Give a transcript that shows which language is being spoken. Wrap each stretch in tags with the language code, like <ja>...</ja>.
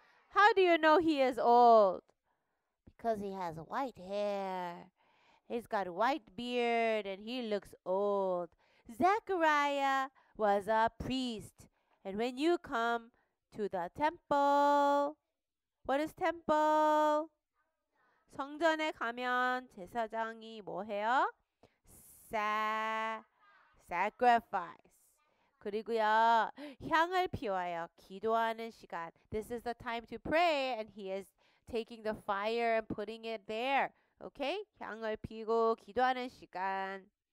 <en>How do you know he is old? Because he has white hair. He's got white beard and he looks old. Zechariah was a priest. And when you come to the temple, what is temple?</en> <ko>성전에 가면 제사장이 뭐 해요? Sacrifice. 그리고요, 향을 피워요. 기도하는 시간.</ko> <en>This is the time to pray, and he is taking the fire and putting it there. Okay?</en> <ko>향을 피우고 기도하는 시간.</ko>